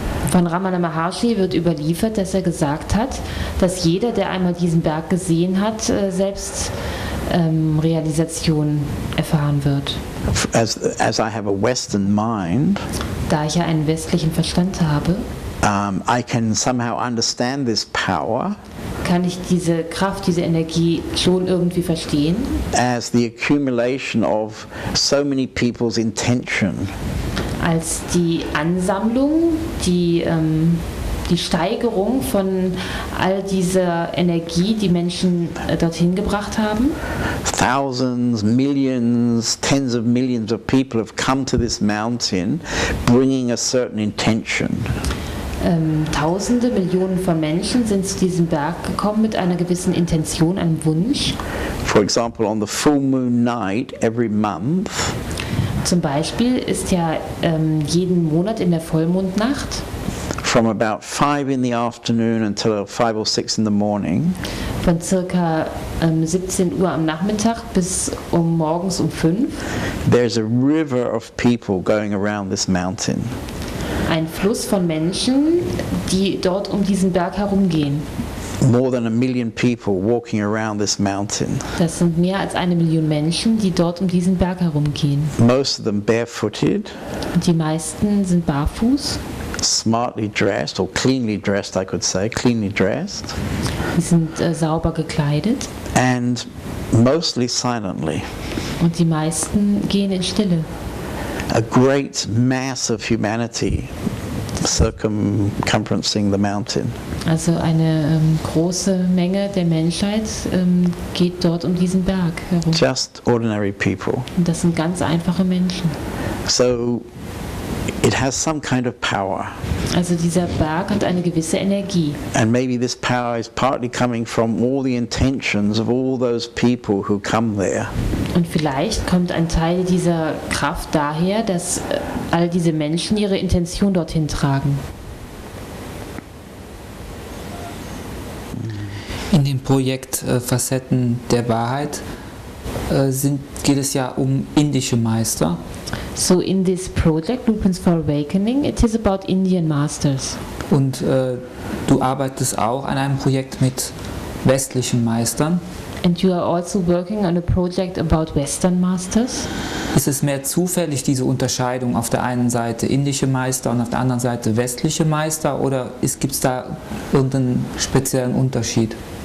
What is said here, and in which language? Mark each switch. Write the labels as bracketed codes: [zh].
[de] Von Ramana Maharshi wird überliefert, dass er gesagt hat, dass jeder, der einmal diesen Berg gesehen hat, selbst Realisation erfahren wird. [en] As I have a Western mind, [de] da ich ja einen westlichen Verstand habe, [en] I can somehow understand this power, [de] kann ich diese Kraft, diese Energie schon irgendwie verstehen, [en] as the accumulation of so many people's intention. [de] Als die Ansammlung, die Steigerung von all dieser Energie, die Menschen dorthin gebracht haben. [en] Thousands, millions, tens of millions of people have come to this mountain bringing a certain intention. [de] Tausende, Millionen von Menschen sind zu diesem Berg gekommen mit einer gewissen Intention, einem Wunsch. [en] For example, on the full moon night every month. [de] Zum Beispiel ist ja jeden Monat in der Vollmondnacht [en] from about 5 in the afternoon until 5 or 6 in the morning, [de] von circa 17 Uhr am Nachmittag bis morgens 5, [en] there's a river of people going around this mountain, [de] ein Fluss von Menschen, die dort diesen Berg herumgehen. [en] More than a million people walking around this mountain. [de] Das sind mehr als eine Million Menschen, die dort diesen Berg herumgehen. [en] Most of them barefooted. [de] Die meisten sind barfuß. [en] Smartly dressed or cleanly dressed, I could say, cleanly dressed. [de] Sie sind sauber gekleidet. [en] And mostly silently. [de] Und die meisten gehen in Stille. [en] A great mass of humanity circumcircumferencing the mountain. [de] Also eine große Menge der Menschheit geht dort diesen Berg herum. [en] Just ordinary people. [de] Und das sind ganz einfache Menschen. [en] So it has some kind of power. [de] Also dieser Berg hat eine gewisse Energie. [en] And maybe this power is partly coming from all the intentions of all those people who come there. [de] Und vielleicht kommt ein Teil dieser Kraft daher, dass all diese Menschen ihre Intention dorthin tragen. In dem Projekt Facetten der Wahrheit geht es ja indische Meister. [en] So in this project, Lupins for Awakening, it is about Indian masters. [de] Und du arbeitest auch an einem Projekt mit westlichen Meistern. [en] And you are also working on a project about Western masters. [de] Ist es mehr zufällig, diese Unterscheidung auf der einen Seite indische Meister und auf der anderen Seite westliche Meister, oder gibt es da irgendeinen speziellen Unterschied?